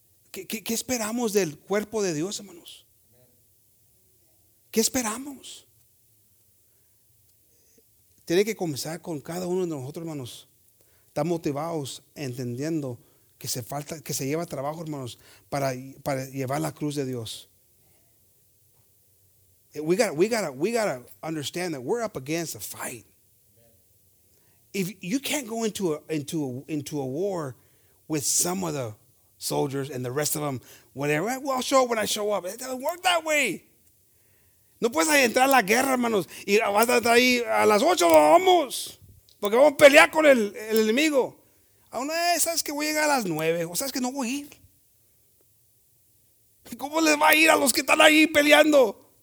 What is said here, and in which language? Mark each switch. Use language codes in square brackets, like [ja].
[es] ¿Qué esperamos del cuerpo de Dios, hermanos? ¿Qué esperamos? Tiene que comenzar con cada uno de nosotros, hermanos. Estar motivados, entendiendo que se lleva trabajo, hermanos, para llevar la cruz de Dios. [en] We gotta understand that we're up against a fight. If you can't go into a war with some of the soldiers and the rest of them, whatever. Well, I'll show up when I show up. It doesn't work that way. [es] No puedes entrar a la guerra, hermanos, y vas a estar ahí a las ocho, vamos, porque vamos a pelear con el enemigo. Aún sabes que voy a llegar a las nueve, o sabes que no voy a ir. ¿Cómo les va a ir a los que están ahí peleando?